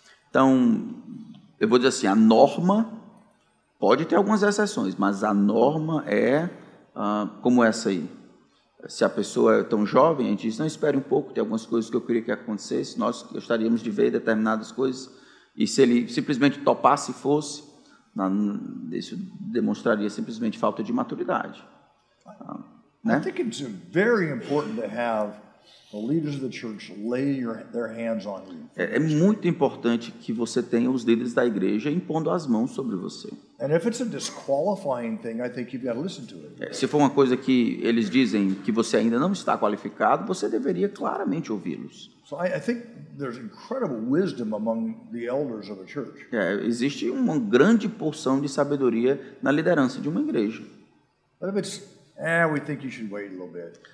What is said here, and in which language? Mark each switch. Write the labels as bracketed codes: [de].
[pt] Então, eu vou dizer assim, a norma pode ter algumas exceções, mas a norma é como essa aí. Se a pessoa é tão jovem, a gente diz, não, espere um pouco, tem algumas coisas que eu queria que acontecesse, nós gostaríamos de ver determinadas coisas, e se ele simplesmente topasse e fosse, isso demonstraria simplesmente falta de maturidade. Né? [en] I think it's very important to have the leaders of the church lay their hands on you. [pt] É muito importante que você tenha os líderes da igreja impondo as mãos sobre você. [en] And if it's a disqualifying thing, I think you've got to listen to it. [pt] Se for uma coisa que eles dizem que você ainda não está qualificado, você deveria claramente ouvi-los. [en] So I think there's incredible wisdom among the elders of a church. [pt] Existe uma grande porção de sabedoria na liderança de uma igreja. [en] But if it's, we think you should wait a little bit.